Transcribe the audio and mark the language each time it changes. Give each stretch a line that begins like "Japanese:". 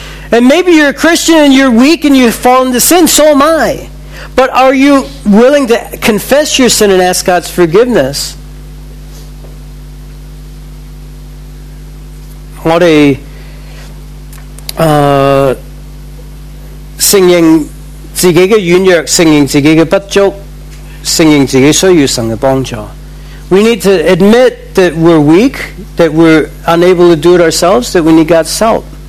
English: And maybe you're a Christian and you're weak and you've fallen to sin, so am I. But are you willing to confess your sin and ask God's forgiveness?
Chinese: 我们承认自己的软弱，承认自己的不足，承认自己需要神的帮助。
English: We need to admit that we're weak, that we're unable to do it ourselves, that we need God's help.